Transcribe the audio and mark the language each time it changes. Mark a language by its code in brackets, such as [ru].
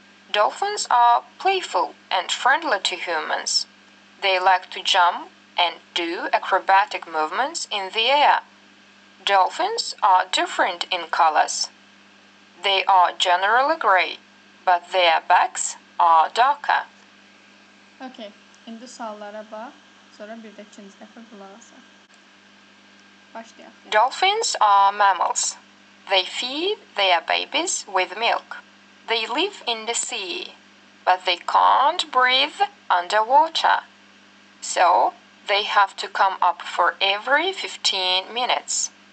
[en] Dolphins are playful and friendly to humans. They like to jump and do acrobatic movements in the air. Dolphins are different in colors. They are generally gray, but their backs are darker. [az] Okay, indi suallara bax, sonra bir də ikinci dəfə qulaq asaq. Başlayaq. [en] Dolphins are mammals. They feed their babies with milk. They live in the sea, but they can't breathe underwater. So, they have to come up for every 15 minutes.